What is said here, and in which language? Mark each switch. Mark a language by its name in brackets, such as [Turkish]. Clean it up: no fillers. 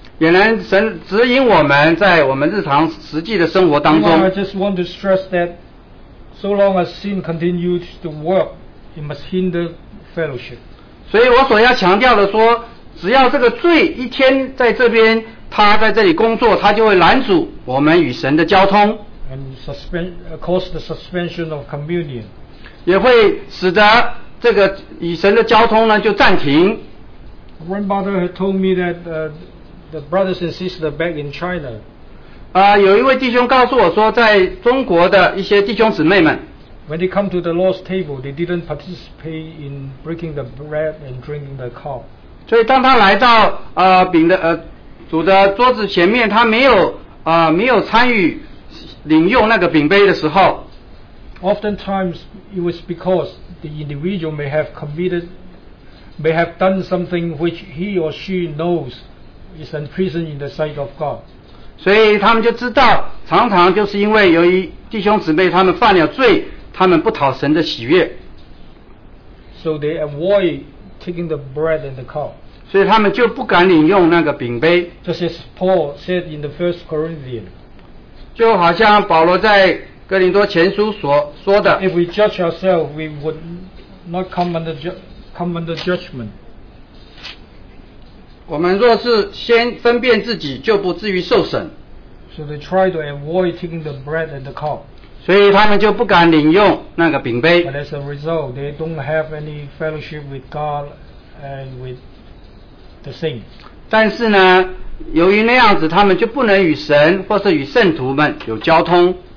[Chinese] 也能神指引我们在我们日常实际的生活当中。 [English] I just want to stress that. So long as sin continues to work, it must hinder fellowship. [Chinese] 所以我所要强调的说，只要这个罪一天在这边，他在这里工作，他就会拦阻我们与神的交通。 [English] And cause the suspension of communion. [Chinese] 也会使得这个与神的交通呢就暂停。 [English] One brother had told me that the brothers and sisters back in China. [Chinese] 有一位弟兄告诉我说，在中国的一些弟兄姊妹们 [English] ，When they come to the Lord's table, they didn't participate in breaking the bread and drinking the cup. [Chinese] 所以当他来到饼的主的桌子前面，他没有参与领用那个饼杯的时候 [English] ，Oftentimes it was because the individual may have done something which he or she knows is a treason in the sight of God. [Chinese] 所以他们就知道，常常就是因为由于弟兄姊妹他们犯了罪，他们不讨神的喜悦。 [English] So they avoid taking the bread and the cup. [Chinese] 所以他们就不敢领用那个饼杯。 [English] Just as Paul said in the First Corinthians. [Chinese] 就好像保罗在哥林多前书所说的。 [English] If we judge ourselves, we would not come under judgment. [Chinese] 我们若是先分辨自己，就不至于受审。 [English] So they try to avoid taking the bread and the cup. [Chinese] 所以他们就不敢领用那个饼杯。 [English] But as a result, they don't have any fellowship with God and with the saints. [Chinese] 但是呢，由于那样子，他们就不能与神或是与圣徒们有交通。